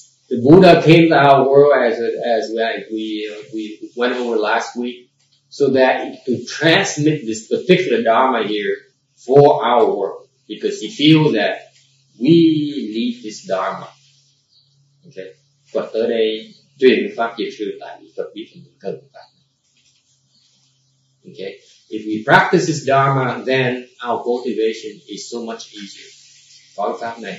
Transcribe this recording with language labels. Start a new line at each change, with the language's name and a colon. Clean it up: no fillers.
English: The Buddha came to our world as we went over last week, so that he could transmit this particular Dharma here for our world, because he feels that we need this Dharma. Okay.
Vietnamese: Phật tới đây truyền pháp dược sư tại vì Phật biết mình cần phải.
English: Okay, if we practice this Dharma, then our cultivation is so much easier.